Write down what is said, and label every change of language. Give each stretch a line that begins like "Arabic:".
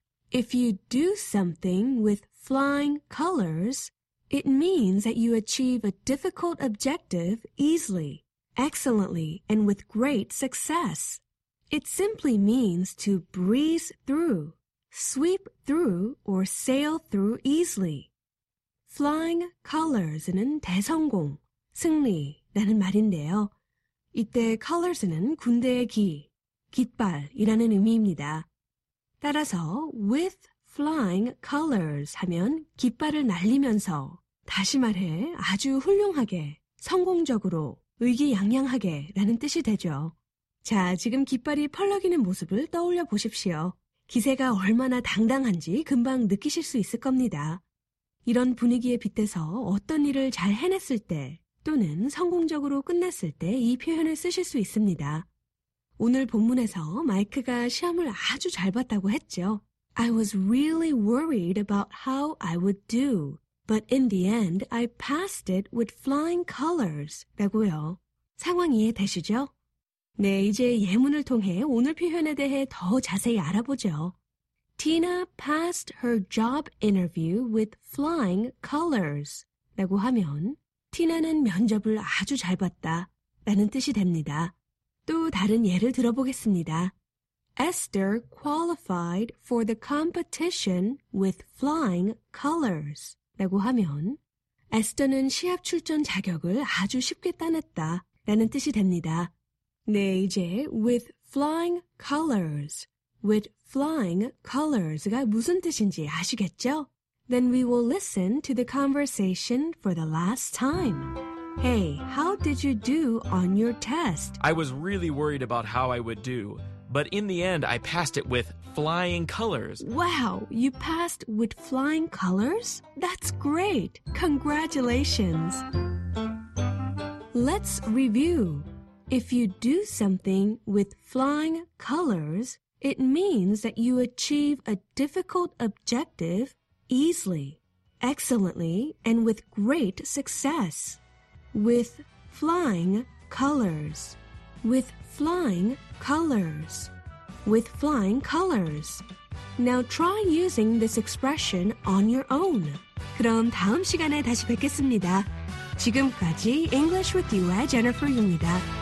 English: If you do something with flying colors, it means that you achieve a difficult objective easily, excellently, and with great success. It simply means to breeze through, sweep through, or sail through easily.
Korean: Flying colors는 대성공, 승리라는 말인데요. 이때 colors는 군대의 기, 깃발이라는 의미입니다. 따라서
English: with flying colors
Korean: 하면 깃발을 날리면서 다시 말해 아주 훌륭하게, 성공적으로, 의기양양하게 라는 뜻이 되죠. 자, 지금 깃발이 펄럭이는 모습을 떠올려 보십시오. 기세가 얼마나 당당한지 금방 느끼실 수 있을 겁니다. 이런 분위기에 빗대서 어떤 일을 잘 해냈을 때 또는 성공적으로 끝냈을 때 이 표현을 쓰실 수 있습니다. 오늘 본문에서 마이크가 시험을 아주 잘 봤다고 했죠.
English: I was really worried about how I would do, but in the end, I passed it with flying colors.
Korean: 라고요. 상황 이해되시죠? 네, 이제 예문을 통해 오늘 표현에 대해 더 자세히 알아보죠.
English: Tina passed her job interview with flying colors.
Korean: 라고 하면, 티나는 면접을 아주 잘 봤다. 라는 뜻이 됩니다. 또 다른 예를 들어보겠습니다.
English: Esther qualified for the competition with flying colors.
Korean: 라고 하면, 에스터는 시합 출전 자격을 아주 쉽게 따냈다. 라는 뜻이 됩니다. 네, 이제
English: with flying colors. With flying colors가
Korean: 무슨 뜻인지 아시겠죠?
English: Then we will listen to the conversation for the last time. Hey, how did you do on your test? I was really worried about how I would do, but in the end, I passed it with flying colors. Wow, you passed with flying colors? That's great. Congratulations. Let's review. If you do something with flying colors, it means that you achieve a difficult objective easily, excellently, and with great success. With flying colors. With flying colors. With flying colors. Now try using this expression on your own.
Korean: 그럼 다음 시간에 다시 뵙겠습니다. 지금까지 English with you의 Jennifer입니다.